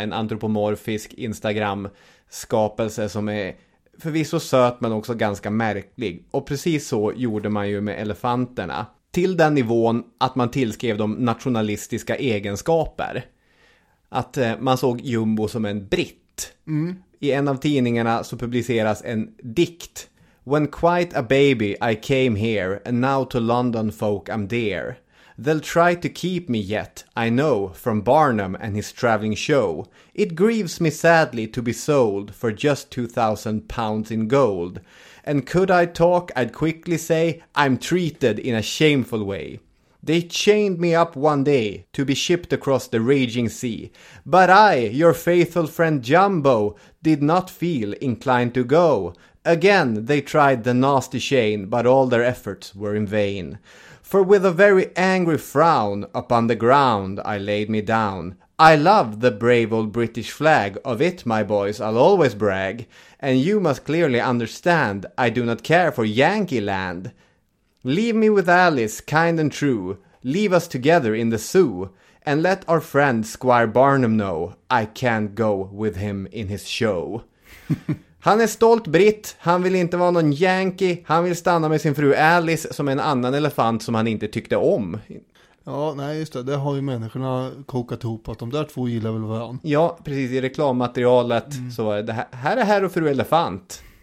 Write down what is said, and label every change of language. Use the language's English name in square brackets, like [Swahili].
[Swedish] En antropomorfisk Instagram-skapelse som är förvisso söt men också ganska märklig. Och precis så gjorde man ju med elefanterna. Till den nivån att man tillskrev de nationalistiska egenskaper. Att man såg Jumbo som en britt. Mm. I en av tidningarna så publiceras en dikt. [English] When quite a baby I came here, and now to London folk I'm dear. They'll try to keep me yet, I know, from Barnum and his traveling show. It grieves me sadly to be sold for just £2,000 in gold. And could I talk, I'd quickly say, I'm treated in a shameful way. They chained me up one day to be shipped across the raging sea. But I, your faithful friend Jumbo, did not feel inclined to go. Again, they tried the nasty chain, but all their efforts were in vain. For with a very angry frown upon the ground, I laid me down. I love the brave old British flag, of it, my boys, I'll always brag. And you must clearly understand, I do not care for Yankee land. Leave me with Alice, kind and true, leave us together in the zoo, and let our friend Squire Barnum know, I can't go with him in his show. [Swedish] Han är stolt britt, han vill inte vara någon Yankee, han vill stanna med sin fru Alice som en annan elefant som han inte tyckte om. Ja, nej just det. Det har ju människorna kokat ihop att de där två gillar väl varann. Ja, precis. I reklammaterialet så var det här är herr och fru elefant.